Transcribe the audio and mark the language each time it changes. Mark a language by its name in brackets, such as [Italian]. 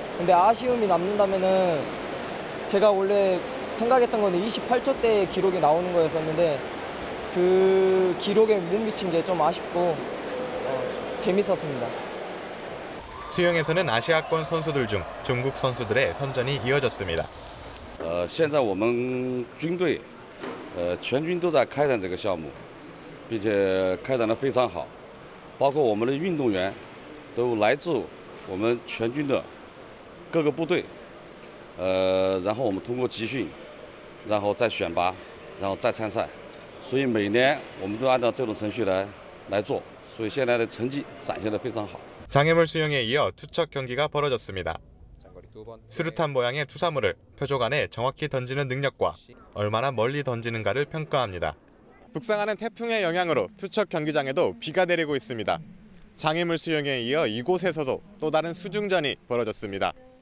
[Korean] 근데 아쉬움이 남는다면은 제가 원래 생각했던 거는 28초 때 기록이 나오는 거였었는데 그 기록에 못 미친 게 좀 아쉽고 재밌었습니다. 수영에서는 아시아권 선수들 중 중국 선수들의 선전이 이어졌습니다. [Chinese] 现在我们军队 全军都在开展这个项目，并且开展的非常好，包括我们的运动员都来自我们全军的各个部队，然后我们通过集训，然后再选拔，然后再参赛，所以每年我们都按照这种程序来做，所以现在的成绩展现的非常好。 [Korean] 장애물 수영에 이어 투척 경기가 벌어졌습니다. 수류탄 모양의 투사물을 표적 안에 정확히 던지는 능력과 얼마나 멀리 던지는가를 평가합니다. 북상하는 태풍의 영향으로 투척 경기장에도 비가 내리고 있습니다. 장애물 수영에 이어 이곳에서도 또 다른 수중전이 벌어졌습니다.